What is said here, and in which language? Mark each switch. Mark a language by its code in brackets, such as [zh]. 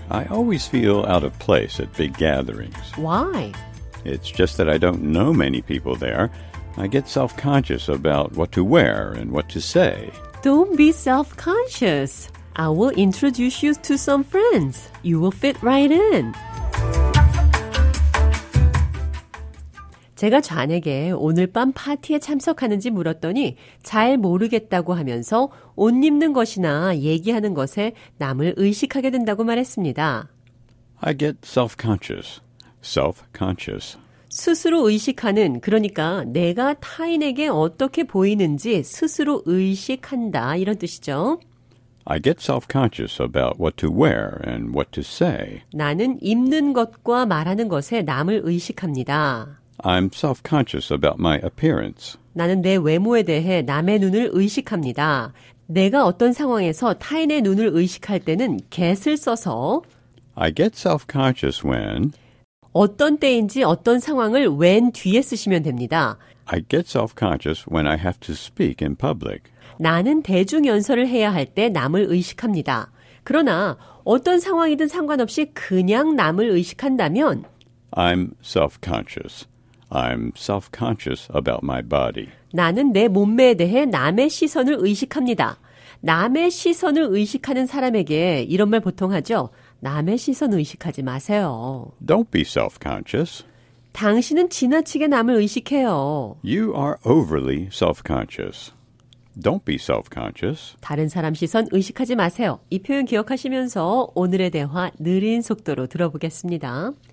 [en] I always feel out of place at big gatherings. Why? It's just that I don't know many people there. I get self-conscious about what to wear and what to say. Don't be self-conscious. I will introduce you to some friends. You will fit right in. [ko] 제가 잔에게 오늘 밤 파티에 참석하는지 물었더니 잘 모르겠다고 하면서 옷 입는 것이나 얘기하는 것에 남을 의식하게 된다고 말했습니다. [en] I get self-conscious. Self-conscious. [ko] 스스로 의식하는, 그러니까 내가 타인에게 어떻게 보이는지 스스로 의식한다, 이런 뜻이죠. [en] I get self-conscious about what to wear and what to say. [ko] 나는 입는 것과 말하는 것에 남을 의식합니다. [en] I'm self-conscious about my appearance. [ko] 나는 내 외모에 대해 남의 눈을 의식합니다. 내가 어떤 상황에서 타인의 눈을 의식할 때는 get을 써서 [en] I get self-conscious when [ko] 어떤 때인지 어떤 상황을 when 뒤에 쓰시면 됩니다. [en] I get self-conscious when I have to speak in public. [ko] 나는 대중연설을 해야 할 때 남을 의식합니다. 그러나 어떤 상황이든 상관없이 그냥 남을 의식한다면 [en] I'm self-conscious. I'm self-conscious about my body. [ko] 나는 내 몸매에 대해 남의 시선을 의식합니다. 남의 시선을 의식하는 사람에게 이런 말 보통 하죠. 남의 시선 의식하지 마세요. [en] Don't be self-conscious. [ko] 당신은 지나치게 남을 의식해요. [en] You are overly self-conscious. Don't be self-conscious. [ko] 다른 사람 시선 의식하지 마세요. 이 표현 기억하시면서 오늘의 대화 느린 속도로 들어보겠습니다.